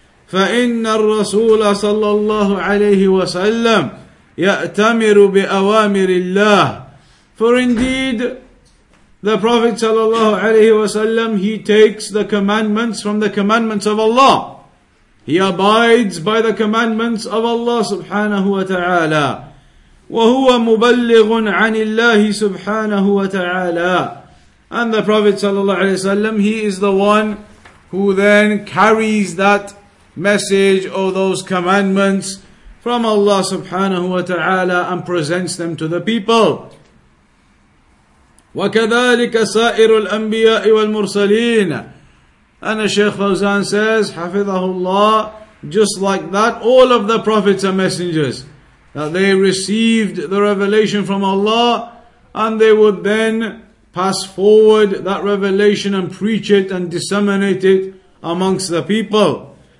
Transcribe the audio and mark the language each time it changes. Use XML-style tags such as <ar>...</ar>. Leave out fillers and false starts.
<ar>فَإِنَّ الرَّسُولَ sallallahu alayhi wa sallam يَأْتَمِرُ بِأَوَامِرِ اللَّهِ.</ar> <en>For indeed, the Prophet sallallahu alayhi wa sallam, he takes the commandments from the commandments of Allah. He abides by the commandments of Allah subhanahu wa ta'ala.</en> <ar>وهو مبلغ عن الله سبحانه وتعالى.</ar> <en>And the Prophet صلى الله عليه وسلم, he is the one who then carries that message or those commandments from Allah سبحانه وتعالى and presents them to the people.</en> <ar>وكذلك سائر الأنبياء والمرسلين.</ar> <en>And as Sheikh Fawzan says, حفظه الله, just like that, all of the prophets are messengers, that they received the revelation from Allah, and they would then pass forward that revelation and preach it and disseminate it amongst the people.</en>